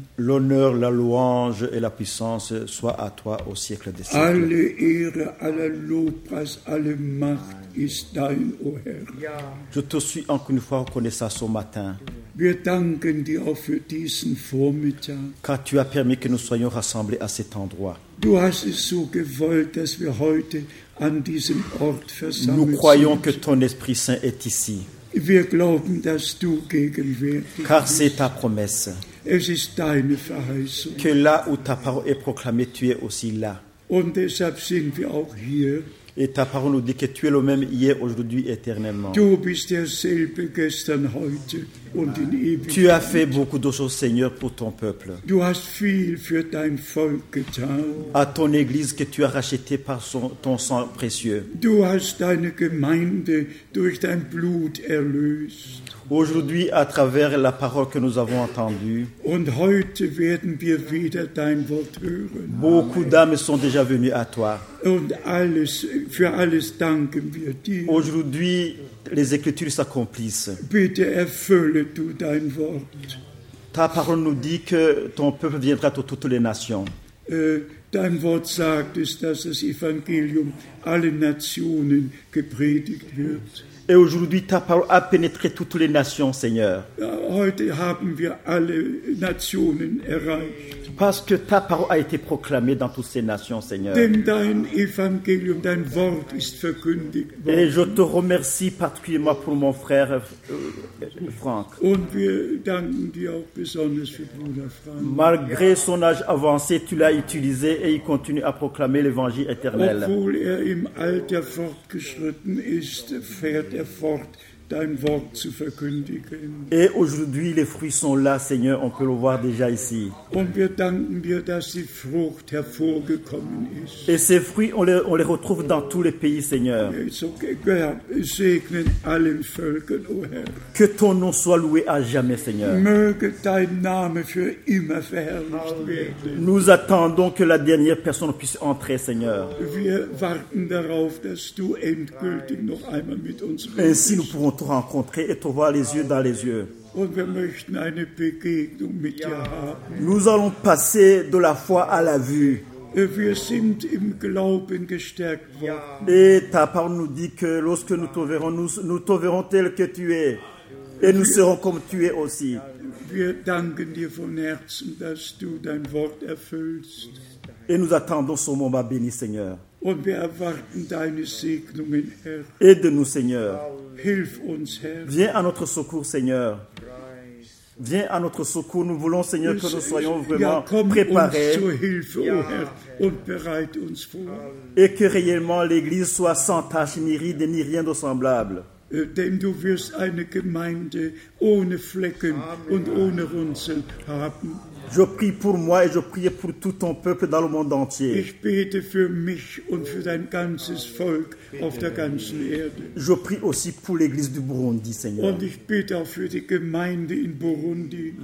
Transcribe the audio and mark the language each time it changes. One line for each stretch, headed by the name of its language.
French: l'honneur, la louange et la puissance soient à toi au siècle des siècles.
German: Alle Ehre, alle Lobpreis, alle Macht ist dein, o Herr. Ja.
French: Je te suis encore une fois reconnaissant ce matin.
German: Wir danken dir auch für diesen Vormittag.
French: Car tu as permis que nous soyons rassemblés à cet endroit.
German: Du hast es so gewollt, dass wir heute an diesem Ort versammelt sind.
French: Nous croyons que ton Esprit Saint est ici.
German: Wir glauben, dass du gegenwärtig bist.
French: Car c'est ta promesse.
German: Es ist deine Verheißung.
French: Que là où ta parole est proclamée, tu es aussi là.
German: Und deshalb sind wir auch hier.
French: Et ta parole nous dit que tu es le même hier, aujourd'hui, éternellement.
German: Du bist derselbe gestern, heute und in Ewigkeit.
French: Tu as fait beaucoup de choses, Seigneur, pour ton peuple.
German: Du hast viel für dein Volk getan.
French: À ton Église que tu as rachetée par ton sang précieux.
German: Du hast deine Gemeinde durch dein Blut erlöst.
French: Aujourd'hui, à travers la parole que nous avons entendue,
German: und heute werden wir wieder dein Wort hören.
French: Beaucoup d'âmes sont déjà venues à toi.
German: Und alles, für alles danken wir dir.
French: Aujourd'hui, les Écritures s'accomplissent.
German: Bitte erfülle du dein Wort.
French: Ta parole nous dit que ton peuple viendra de toutes les nations.
German: Dein Wort sagt es, dass das Evangelium allen Nationen gepredigt wird.
French: Et aujourd'hui, ta parole a pénétré toutes les nations, Seigneur.
German: Heute haben wir alle Nationen erreicht.
French: Parce que ta parole a été proclamée dans toutes ces nations, Seigneur.
German: Denn dein Evangelium, dein Wort ist verkündigt worden.
French: Et je te remercie particulièrement pour mon frère Franck.
German: Und wir danken dir auch besonders für Bruder Franck.
French: Malgré son âge avancé, tu l'as utilisé et il continue à proclamer l'Évangile éternel.
German: Obwohl er im Alter fortgeschritten ist, fährt er fort, dein Wort zu verkündigen.
French: Et aujourd'hui, les fruits sont là, Seigneur, on peut le voir déjà ici.
German: Und wir danken dir, dass die Frucht hervorgekommen ist.
French: Et ces fruits, on les retrouve dans tous les pays, Seigneur.
German: Segne allen Völkern, o Herr.
French: Que ton nom soit loué à jamais, Seigneur.
German: Möge dein Name für immer verherrlicht werden.
French: Nous attendons que la dernière personne puisse entrer, Seigneur.
German: Wir warten darauf, dass du endgültig noch einmal mit uns redest.
French: Ainsi, nous pouvons te rencontrer et te voir les yeux dans les yeux.
German: Und wir möchten eine Begegnung mit dir haben.
French: Nous allons passer de la foi à la vue.
German: Wir sind im Glauben gestärkt worden.
French: Et ta parole nous dit que lorsque nous te verrons, nous te verrons tel que tu es. Et nous serons comme tu es aussi.
German: Wir danken dir von Herzen, dass du dein Wort erfüllst.
French: Et nous attendons ce moment béni, Seigneur.
German: Und wir erwarten deine Segnungen, Herr.
French: Aide-nous, Seigneur.
German: Hilf uns, Herr.
French: Viens à notre secours, Seigneur. Viens à notre secours. Nous voulons, Seigneur, que nous soyons vraiment préparés.
German: Komm uns zur Hilfe, ja. Herr, und bereite uns vor.
French: Et que réellement l'Église soit sans tache, ni ride, ni rien de semblable.
German: Denn du wirst eine Gemeinde ohne Flecken und ohne Runzeln haben.
French: Je prie pour moi et je prie pour tout ton peuple dans le monde entier.
German: Ich bete für mich und für dein ganzes Volk auf der ganzen Erde.
French: Je prie aussi pour l'église du Burundi, Seigneur.
German: Und ich bete auch für die Gemeinde in Burundi.